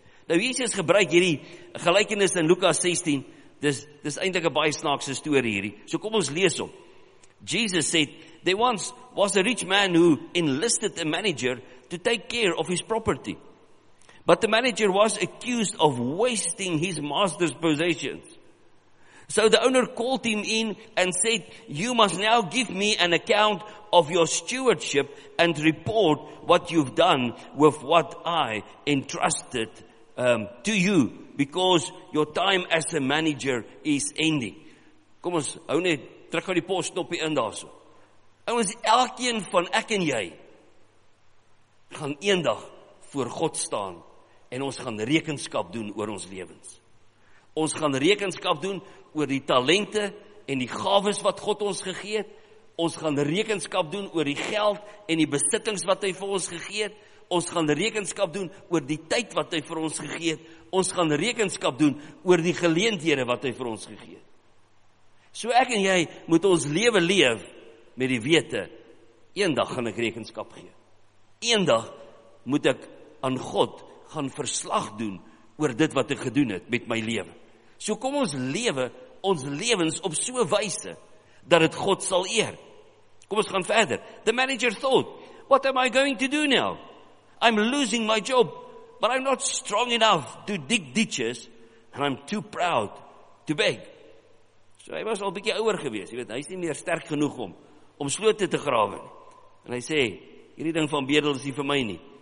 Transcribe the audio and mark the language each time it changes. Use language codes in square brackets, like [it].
[af] Nou Jesus gebruik hierdie gelykenis in Lukas 16, dis eintlik 'n baie snaakse storie hierdie. So kom ons lees hom. [en] Jesus said, there once was a rich man who enlisted a manager to take care of his property. But the manager was accused of wasting his master's possessions. So the owner called him in and said, you must now give me an account of your stewardship and report what you've done with what I entrusted to you, because your time as a manager is ending. [af] Kom ons, hou net, druk gou die posknoppie in daarso. Ouens, elkeen van ek en jy gaan eendag voor God staan. En ons gaan rekenskap doen oor ons lewens. Ons gaan rekenskap doen oor die talente en die gawes wat God ons gegee het. Ons gaan rekenskap doen oor die geld en die besittings wat hy vir ons gegee het. Ons gaan rekenskap doen oor die tyd wat hy vir ons gegee het. Ons gaan rekenskap doen oor die geleenthede wat hy vir ons gegee het. So ek en jy moet ons lewe leef met die wete, eendag gaan ek rekenskap gee. Eendag moet ek aan God gaan verslag doen oor dit wat ek gedoen het met my lewe. So kom ons lewe ons lewens op so 'n wyse dat dit God sal eer. Kom ons gaan verder. [en] The manager thought, what am I going to do now? I'm losing my job, but I'm not strong enough to dig ditches and I'm too proud to beg. [af] So hy was al bietjie ouer gewees, jy weet, hy's nie meer sterk genoeg om slote te grawe nie. En hy sê, hierdie ding van bedel is nie vir my nie.